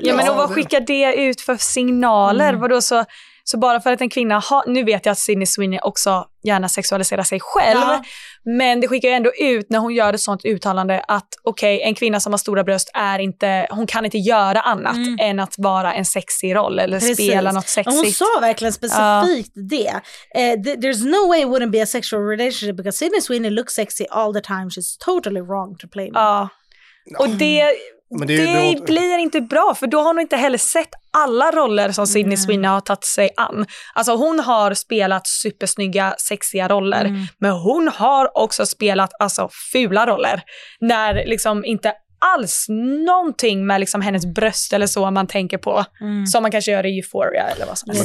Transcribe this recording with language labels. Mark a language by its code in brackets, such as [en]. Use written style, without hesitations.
[sv] Ja, men vad skickar det ut för signaler? Vadå, så bara för att en kvinna har, nu vet jag att Sydney Sweeney också gärna sexualiserar sig själv, men det skickar ju ändå ut när hon gör ett sånt uttalande att okej, en kvinna som har stora bröst är inte, hon kan inte göra annat än att vara en sexy roll eller spela något sexigt. Hon sa verkligen specifikt det. [en] There's no way it wouldn't be a sexual relationship because Sydney Sweeney looks sexy all the time. She's totally wrong to play me. [sv] Ja, och det blir inte bra, för då har hon inte heller sett alla roller som Sydney Sweeney har tagit sig an. Alltså hon har spelat supersnygga, sexiga roller, men hon har också spelat fula roller. När liksom inte alls någonting med liksom hennes bröst eller så man tänker på, som man kanske gör i Euphoria eller vad som helst.